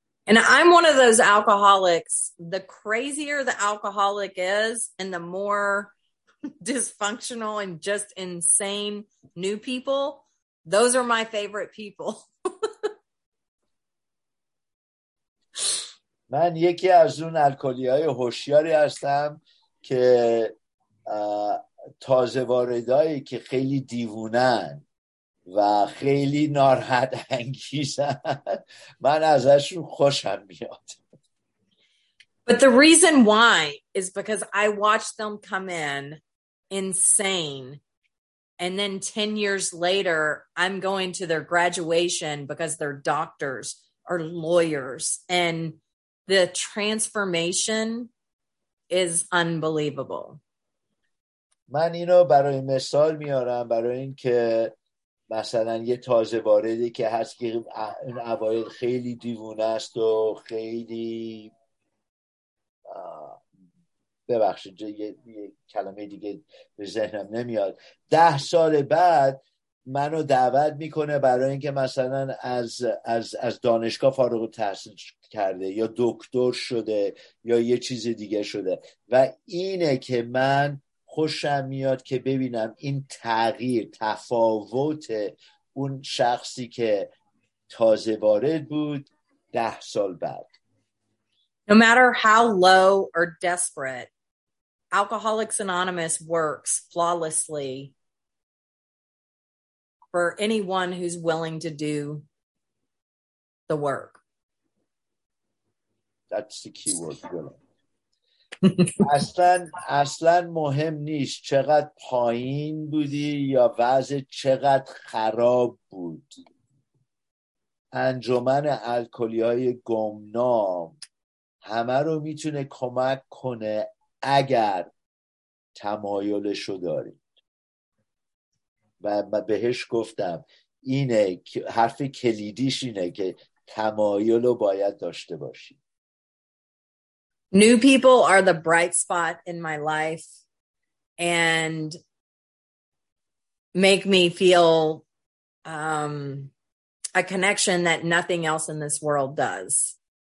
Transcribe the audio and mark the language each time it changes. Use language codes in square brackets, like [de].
[en] And I'm one of those alcoholics, the crazier the alcoholic is and the more dysfunctional and just insane new people, those are my favorite people. [fa] من یکی از اون الکلیای هوشیاری هستم که تازه واردایی که خیلی دیوونن و خیلی ناراحت انگیزن, من ازشون خوشم میاد. [en] But the reason why is because I watched them come in insane and then 10 years later I'm going to their graduation because they're doctors or lawyers and the transformation is unbelievable. [fa] من اینو برای مثال میارم برای اینکه مثلا یه تازه واردی که هست که این اوایل خیلی دیوونه است و خیلی ببخشید یه کلمه دیگه به ذهنم نمیاد، 10 سال بعد منو دعوت میکنه برای اینکه مثلا از دانشگاه فارغ التحصیل کرده یا دکتر شده یا یه چیز دیگه شده، و اینه که من خوشم میاد که ببینم این تغییر، تفاوت اون شخصی که تازه وارد بود 10 سال بعد. [en] No matter how low or desperate, Alcoholics Anonymous works flawlessly for anyone who's willing to do the work. That's the key word, willing. [fa] اصلاً مهم نیست چقدر پایین بودی یا وضع چقدر خراب بود. انجمن الکلی‌های گمنام همه رو میتونه کمک کنه اگر تمایلشو داری. و بهش گفتم اینه حرف کلیدیش اینه که تمایل رو باید داشته باشی. [en] New people are the bright spot in my life and make me feel a connection that nothing else in this world does.